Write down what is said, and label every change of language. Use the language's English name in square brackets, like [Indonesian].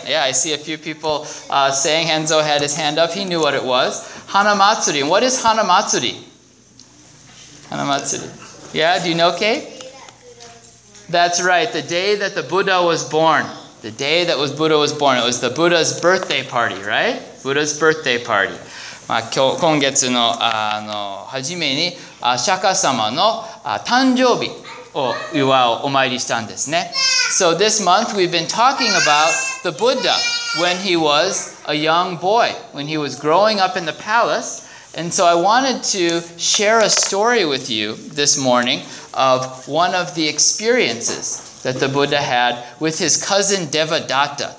[English] Yeah, I see a few people saying Henzo had his hand up. He knew what it was. Hanamatsuri. And what is Hanamatsuri? Hanamatsuri. Yeah, do you know, Kate? That's right, the day that the Buddha was born. The day that was Buddha was born. It was the Buddha's birthday party, right? Buddha's birthday party. [Japanese] まあ、今月の、あの、初めに、釈迦様の、誕生日を祝う、お参りしたんですね。 [English] So this month we've been talking about the Buddha when he was a young boy, when he was growing up in the palace. And so I wanted to share a story with you this morning of one of the experiences that the Buddha had with his cousin Devadatta.